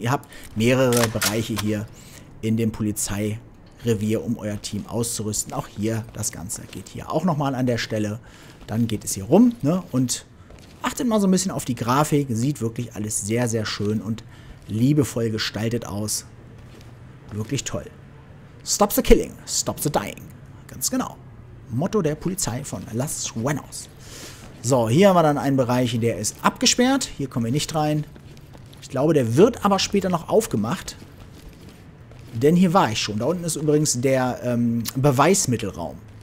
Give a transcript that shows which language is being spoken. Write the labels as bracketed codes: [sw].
[de] Ihr habt mehrere Bereiche hier in dem Polizeirevier, um euer Team auszurüsten. Auch hier, das Ganze geht hier auch nochmal an der Stelle. Dann geht es hier rum, ne? Und achtet mal so ein bisschen auf die Grafik. Sieht wirklich alles sehr, sehr schön und liebevoll gestaltet aus. Wirklich toll. [en] Stop the killing, stop the dying. [de] Ganz genau. Motto der Polizei von Las Buenas. So, hier haben wir dann einen Bereich, der ist abgesperrt. Hier kommen wir nicht rein. Ich glaube, der wird aber später noch aufgemacht. Denn hier war ich schon. Da unten ist übrigens der Beweismittelraum.